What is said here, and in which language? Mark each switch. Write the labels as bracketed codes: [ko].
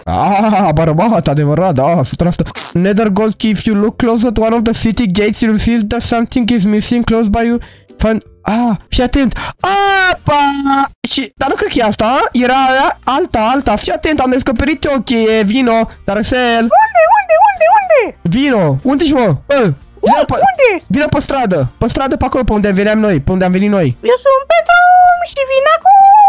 [ro] Ah, bărbat, adevărat, da, sunt asta. [en] Nether Gold Key, if you look close at one of the city gates, you'll see that something is missing close by you. [ro] Fun. Ah, fii atent. Apa! Și, dar nu cred că e asta, era alta. Fii atent, am descoperit o cheie, vino, dar să el. Unde? Vino, unde ești, mă? Bă, vino pe, unde? Vino pe stradă. Pe stradă, pe acolo, pe unde veneam noi, pe unde am venit noi. Eu sunt pe drum și vin acum.